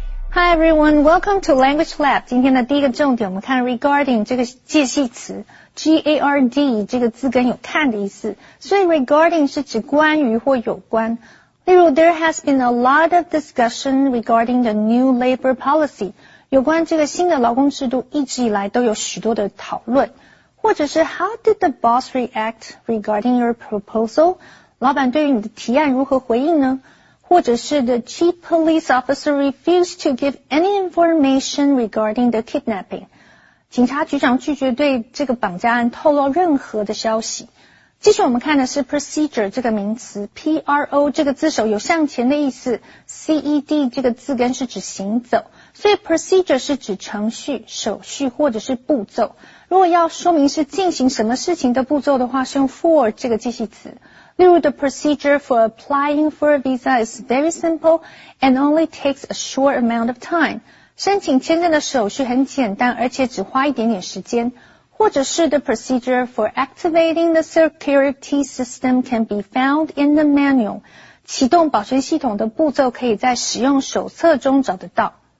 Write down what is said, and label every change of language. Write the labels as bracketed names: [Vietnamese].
[English] Hi everyone, welcome to Language Lab. [Chinese] 今天的第一个重点我们看 regarding 这个介系词 GARD 这个字根有看的意思。所以 regarding 是指关于或有关。例如 [English] there has been a lot of discussion regarding the new labor policy. [Chinese] 有关这个新的劳工制度一直以来都有许多的讨论。或者是 [English] how did the boss react regarding your proposal? [Chinese] 老板对于你的提案如何回应呢？或者是 [English] the chief police officer refused to give any information regarding the kidnapping. [Chinese] 警察局长拒绝对这个绑架案透露任何的消息。继续我们看的是 procedure 这个名词 ,PRO 这个字首有向前的意思 ,CED 这个字根是指行走。所以 procedure 是指程序、手续或者是步骤。如果要说明是进行什么事情的步骤的话是用 for 这个介系词。例如 [English] the procedure for applying for a visa is very simple and only takes a short amount of time. [Chinese] 申请签证的手续很简单而且只花一点点时间。或者是 [English] the procedure for activating the security system can be found in the manual. [Chinese] 启动保全系统的步骤可以在使用手册中找得到。